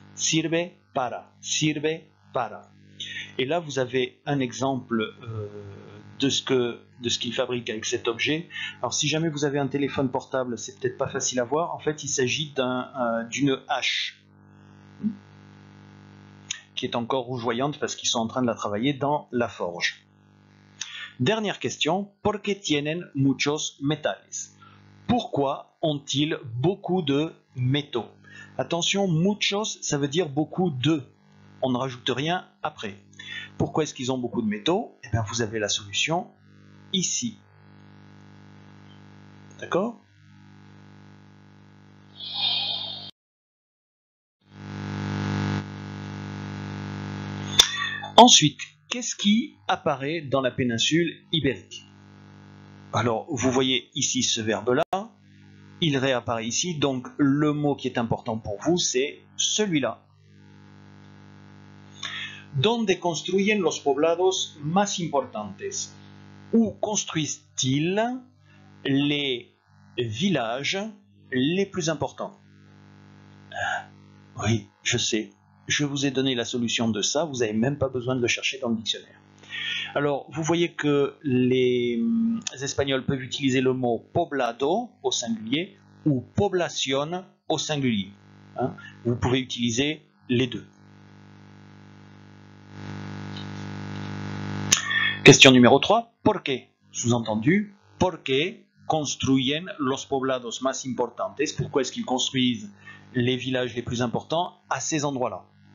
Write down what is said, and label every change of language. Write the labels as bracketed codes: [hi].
[es] Sirve para, sirve para. [fr] Et là, vous avez un exemple de ce qu'il fabrique avec cet objet. Alors, si jamais vous avez un téléphone portable, c'est peut-être pas facile à voir. En fait, il s'agit d'une hache qui est encore rougeoyante parce qu'ils sont en train de la travailler dans la forge. Dernière question. [es] ¿Por qué tienen muchos metales? [fr] Pourquoi ont-ils beaucoup de métaux? Attention, muchos, ça veut dire beaucoup de. On ne rajoute rien après. Pourquoi est-ce qu'ils ont beaucoup de métaux? Eh bien, vous avez la solution ici. D'accord? Ensuite, qu'est-ce qui apparaît dans la péninsule ibérique? Alors, vous voyez ici ce verbe-là. Il réapparaît ici, donc le mot qui est important pour vous, c'est celui-là. [es] ¿Dónde construyen los poblados más importantes? [fr] Où construisent-ils les villages les plus importants? Oui, je sais, je vous ai donné la solution de ça, vous n'avez même pas besoin de le chercher dans le dictionnaire. Alors, vous voyez que les Espagnols peuvent utiliser le mot poblado au singulier ou población au singulier. Hein? Vous pouvez utiliser les deux. Question numéro 3. [es] ¿Por qué? [fr] Sous-entendu, [es] ¿por qué construyen los poblados más importantes? [fr] Pourquoi est-ce qu'ils construisent les villages les plus importants à ces endroits-là?